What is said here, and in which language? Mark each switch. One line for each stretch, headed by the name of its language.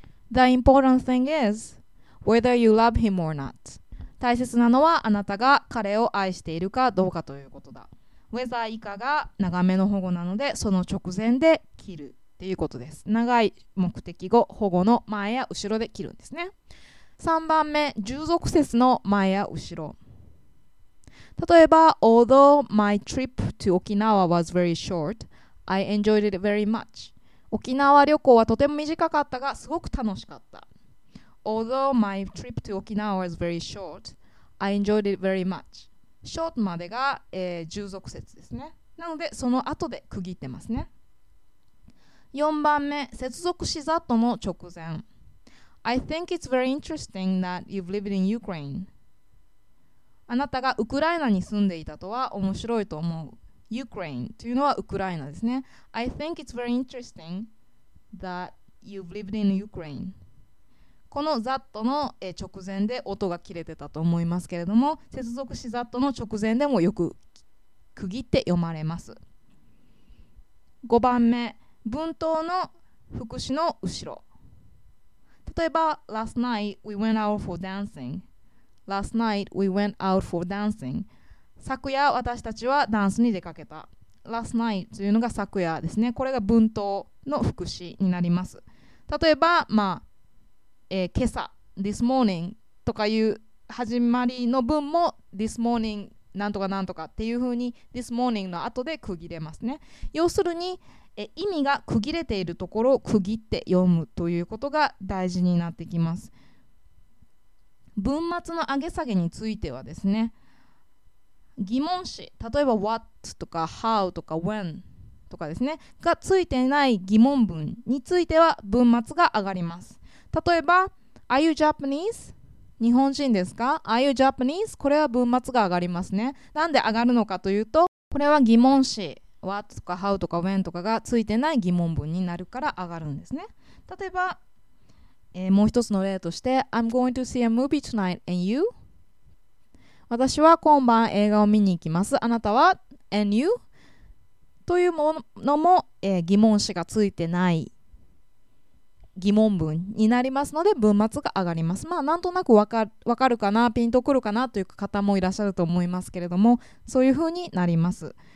English: The important thing is whether you love him or not、
Japanese: 大切なのはあなたが彼を愛しているかどうかということだ。 whether 以下が長めの保護なので、その直前で切るっていうことです。長い目的語保護の前や後ろで切るんですね。 3番目、従属節の前や後ろ。例えば
English: Although my trip to Okinawa was very short, I enjoyed it very much。
Japanese: 沖縄旅行はとても短かったがすごく楽しかった。
English: Although my trip to Okinawa was very short, I enjoyed it very much。
Japanese: short までが、従属節ですね。なのでその後で区切ってますね。 4番目、接続詞ざっとの直前。
English: I think it's very interesting that you've lived in Ukraine。
Japanese: あなたがウクライナに住んでいたとは面白いと思う。 Ukraine というのはウクライナですね。
English: I think it's very interesting that you've lived in Ukraine。
Japanese: このざっとの直前で音が切れてたと思いますけれども、接続詞ざっとの直前でもよく区切って読まれます。 5番目文頭の副詞の後ろ。例えば
English: Last night we went out for dancing. Last night we went out for dancing.
Japanese: 昨夜私たちはダンスに出かけた。
English: Last night
Japanese: というのが昨夜ですね。これが文頭の副詞になります。例えば、まあ今朝
English: This morning
Japanese: とかいう始まりの文も This morning なんとかなんとかっていう風に This morning の後で区切れますね。要するに意味が区切れているところを区切って読むということが大事になってきます。文末の上げ下げについてはですね、疑問詞、例えば What とか How とか When とかですねがついてない疑問文については文末が上がります。
English: 例えば Are you Japanese?
Japanese: 日本人ですか？
English: Are you Japanese?
Japanese: これは文末が上がりますね。なんで上がるのかというと、これは疑問詞What とか How とか When とかがついてない疑問文になるから上がるんですね。例えば、もう一つの例として
English: I'm going to see a movie tonight and you?
Japanese: 私は今晩映画を見に行きます。あなたは
English: And you?
Japanese: というものも、疑問詞がついてない疑問文になりますので文末が上がります。まあなんとなく分かるかな、ピンとくるかなという方もいらっしゃると思いますけれども、そういうふうになります。